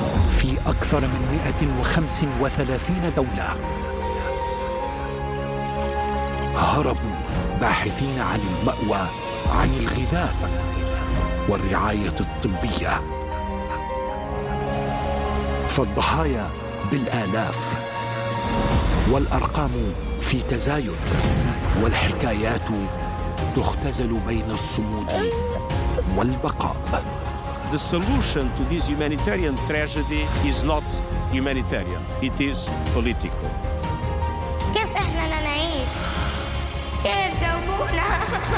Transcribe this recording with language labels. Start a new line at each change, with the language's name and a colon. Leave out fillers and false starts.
Arabic: في أكثر من 135 دولة هربوا باحثين عن المأوى، عن الغذاء والرعاية الطبية. فالضحايا بالآلاف والأرقام في تزايد، والحكايات تختزل بين الصمود والبقاء.
English: The solution to this humanitarian tragedy is not humanitarian, it is political.
Arabic: كيف احنا نعيش؟ كيف جابونا؟